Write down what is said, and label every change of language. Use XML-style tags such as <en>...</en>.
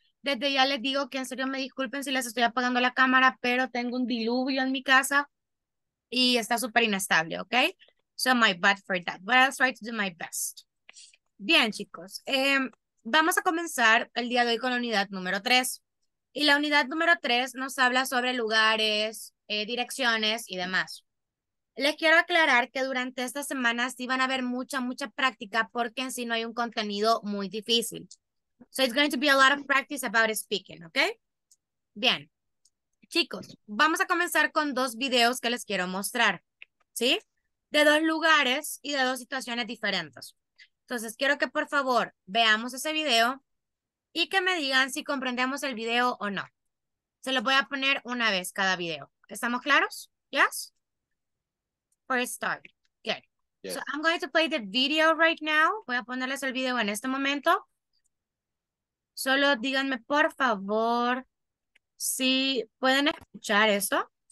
<es>Desde ya les digo que en serio me disculpen si les estoy apagando la cámara, pero tengo un diluvio en mi casa y está súper inestable, okay?</es> <en>So, my bad for that, but I'll try to do my best.</en> <es>Bien, chicos, vamos a comenzar el día de hoy con la unidad número 3. Y la unidad número 3 nos habla sobre lugares, direcciones y demás. Les quiero aclarar que durante estas semanas sí van a haber mucha práctica porque en sí no hay un contenido muy difícil.</es> <en>So it's going to be a lot of practice about speaking, okay?</en> <es>Bien. Chicos, vamos a comenzar con dos videos que les quiero mostrar, ¿sí? De dos lugares y de dos situaciones diferentes. Entonces, quiero que por favor veamos ese video y que me digan si comprendemos el video o no. Se lo voy a poner una vez cada video. ¿Estamos claros?</es> <en>Yes? First start. Good. Yes. So I'm going to play the video right now.</en> <es>Voy a ponerles el video en este momento. Solo díganme, por favor, si pueden escuchar esto.</es>